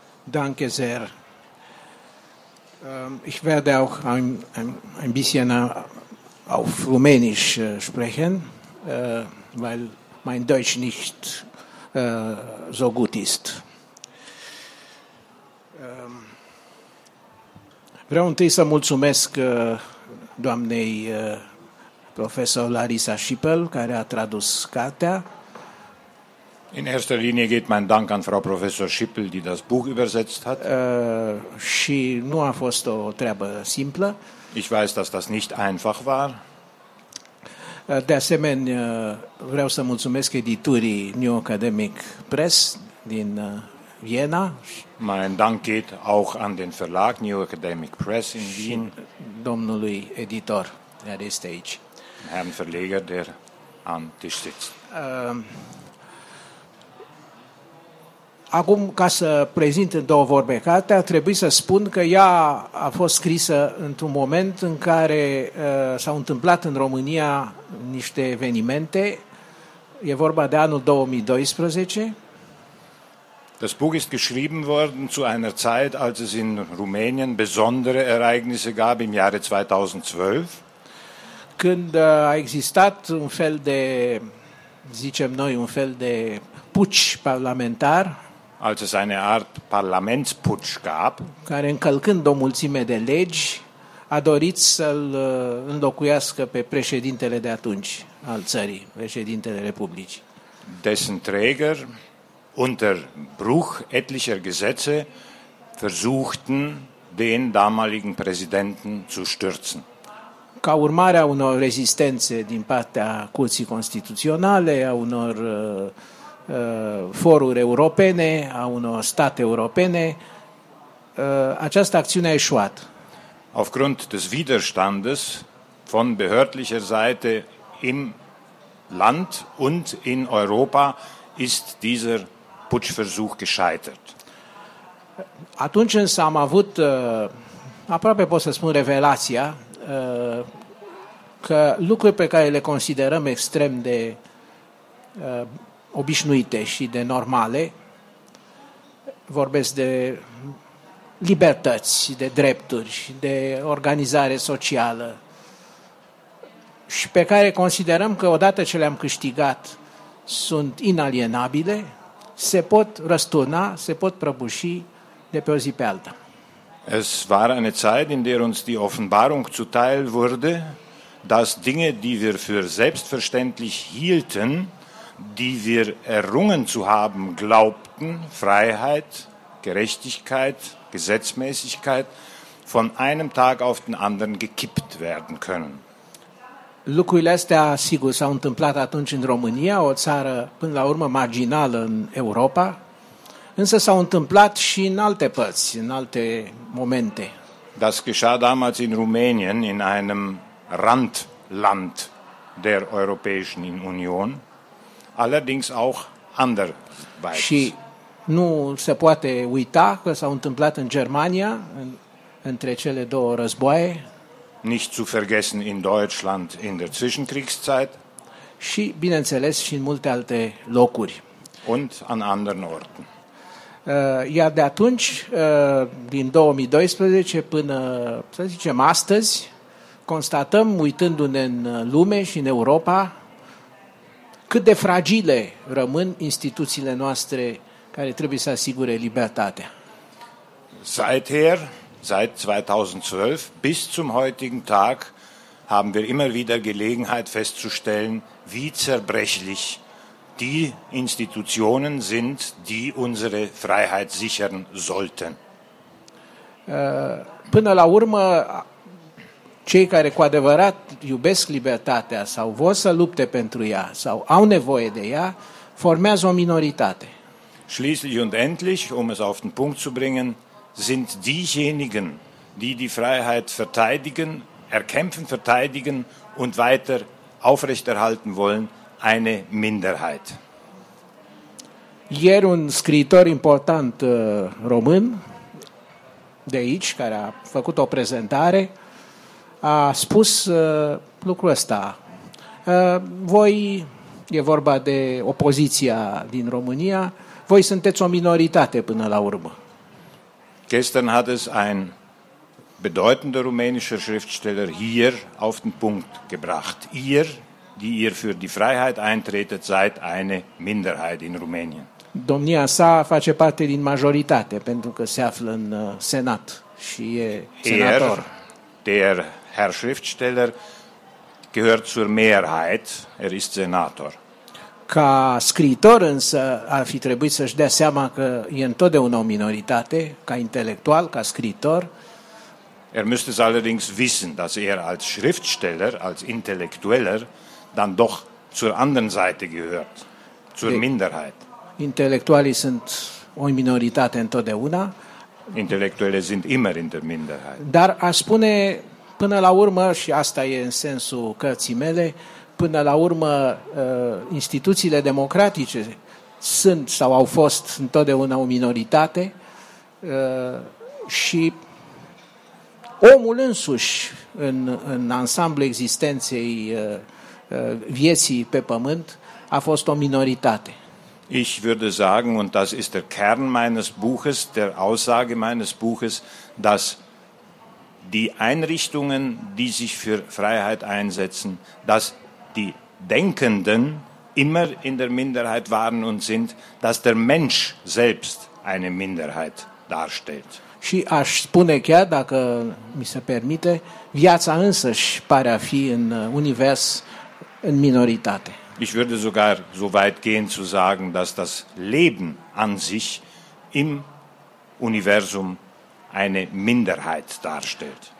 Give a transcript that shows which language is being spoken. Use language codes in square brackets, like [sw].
[de] Danke sehr. Ich werde auch ein bisschen auf Rumänisch sprechen, weil mein Deutsch nicht so gut ist. [ro] Vreau întâi să mulțumesc doamnei profesor Larisa Schippel, care a tradus cartea. [de] In erster Linie geht mein Dank an Frau Professor Schippel, die das Buch übersetzt hat. [ro] Și nu a fost o treabă simplă. [de] Ich weiß, dass das nicht einfach war. [ro] De asemenea, vreau să mulțumesc editurii New Academic Press din Viena. [de] Mein Dank geht auch an den Verlag New Academic Press in Wien. [ro] Domnului editor, [de] der ist [ro] aici. [de] Herrn Verleger, der am Tisch sitzt. [ro] Acum, ca să prezint în două vorbe cartea, trebuie să spun că ea a fost scrisă într-un moment în care s-au întâmplat în România niște evenimente. E vorba de anul 2012. [de] Das Buch ist geschrieben worden zu einer Zeit, als es in Rumänien besondere Ereignisse gab im Jahre 2012. [ro] Când a existat un fel de, zicem noi, un fel de putsch parlamentar. [de] Als es eine Art Parlamentsputsch gab, [ro] care încălcând o mulțime de legi, a dorit să-l înlocuiască pe președintele de atunci al țării, președintele Republicii. [de] Dessen Träger unter Bruch etlicher Gesetze versuchten, den damaligen Präsidenten zu stürzen. [ro] Ca urmare a unor rezistențe din partea Curții Constituționale, a unor foruri europene, a unor state europene, această acțiune a eșuat. [de] Aufgrund des Widerstandes von behördlicher Seite im Land und in Europa ist dieser Putschversuch gescheitert. [ro] Atunci însă am avut aproape pot să spun revelația că lucruri pe care le considerăm extrem de obișnuite și de normale, vorbesc de libertăți, de drepturi, de organizare socială, și pe care considerăm că odată ce le-am câștigat sunt inalienabile, se pot răsturna, se pot prăbuși de pe o zi pe alta. [de] Es war eine Zeit, in der uns die Offenbarung zuteil wurde, dass Dinge, die wir für selbstverständlich hielten, die wir errungen zu haben glaubten, Freiheit, Gerechtigkeit, Gesetzmäßigkeit, von einem Tag auf den anderen gekippt werden können. [ro] Lucrurile astea, sigur, s-au întâmplat atunci în România, o țară până la urmă marginală în Europa, însă s-au întâmplat și în alte părți, în alte momente. [de] Das geschah damals in Rumänien, in einem Randland der Europäischen Union, allerdings auch anderweitig. [ro] Și nu se poate uita că s-au întâmplat în Germania, între cele două războaie. [de] Nicht zu vergessen in Deutschland in der Zwischenkriegszeit. [ro] Și, bineînțeles, și în multe alte locuri. [de] Und an anderen Orten. [ro] Iar de atunci, din 2012 până, să zicem, astăzi, constatăm, uitându-ne în lume și în Europa, cât de fragile rămân instituțiile noastre care trebuie să asigure libertatea. [de] Seither, seit 2012 bis zum heutigen Tag haben wir immer wieder Gelegenheit festzustellen, wie zerbrechlich die Institutionen sind, die unsere Freiheit sichern sollten. [ro] Până la urmă, cei care cu adevărat iubesc libertatea sau vor să lupte pentru ea sau au nevoie de ea, formează o minoritate. [de] Schließlich und endlich, um es auf den Punkt zu bringen, sind diejenigen, die die Freiheit verteidigen, erkämpfen, verteidigen und weiter aufrechterhalten wollen, eine Minderheit. [ro] Ieri un scriitor important român de aici, care a făcut o prezentare, a spus lucrul ăsta. Voi, e vorba de opoziția din România, voi sunteți o minoritate până la urmă. [de] Gestern hat es ein bedeutender rumänischer Schriftsteller hier auf den Punkt gebracht. Ihr, die ihr für die Freiheit eintretet, seid eine Minderheit in Rumänien. [ro] Domnia sa face parte din majoritate, pentru că se află în Senat și e senator. [de] Der Herr Schriftsteller gehört zur Mehrheit, er ist Senator. [ro] Ca scriitor însă ar fi trebuit să-și dea seama că e întotdeauna o minoritate, ca intelectual, ca scriitor. [de] Er müsste es allerdings wissen, dass er als Schriftsteller, als Intellektueller, dann doch zur anderen Seite gehört, zur Minderheit. [ro] Intelectualii sunt o minoritate întotdeauna. [de] Intellektuelle sind immer in der Minderheit. [ro] Dar aș spune, până la urmă, și asta e în sensul cărții mele, până la urmă, instituțiile democratice sunt sau au fost întotdeauna o minoritate și omul însuși în ansamblul existenței vieții pe pământ a fost o minoritate. [de] Ich würde sagen, und das ist der Kern meines Buches, der Aussage meines Buches, dass die Einrichtungen, die sich für Freiheit einsetzen, dass die Denkenden immer in der Minderheit waren und sind, dass der Mensch selbst eine Minderheit darstellt. [ro] Și aș spune chiar, dacă mi se permite, viața însăși pare a fi în univers în minoritate. [de] Ich würde sogar so weit gehen zu sagen, dass das Leben an sich im Universum eine Minderheit darstellt.